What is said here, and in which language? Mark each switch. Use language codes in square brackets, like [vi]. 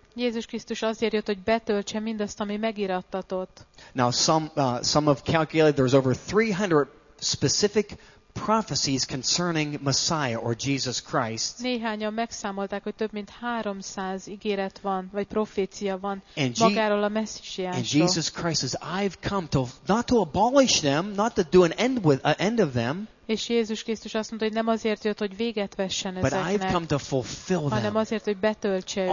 [hu] Jézus Krisztus azért jött, hogy betöltse mindazt, ami megirattatott. [en] Now some have calculated there's over 300 specific prophecies concerning Messiah or Jesus Christ. [hu] Néhányan megszámolták, hogy több mint 300 ígéret van, vagy profécia van magáról a messiásról. [en] And Jesus Christ says, I've come to not to abolish them, not to do an end with end of them. [hu] És Jézus Krisztus azt mondta, hogy nem azért jött, hogy véget vessen [en] but [hu] ezeknek. [en] But I've come to fulfill them. [hu] Hanem azért, hogy betöltse őket.